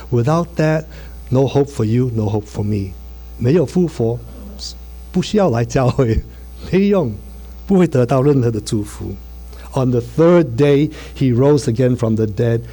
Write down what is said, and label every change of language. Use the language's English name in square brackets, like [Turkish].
[English] Without that, no hope for you, no hope for me. [Chinese] 没有复活。不需要来教会，没用，不会得到任何的祝福。On [English] the third day, he rose again from the dead.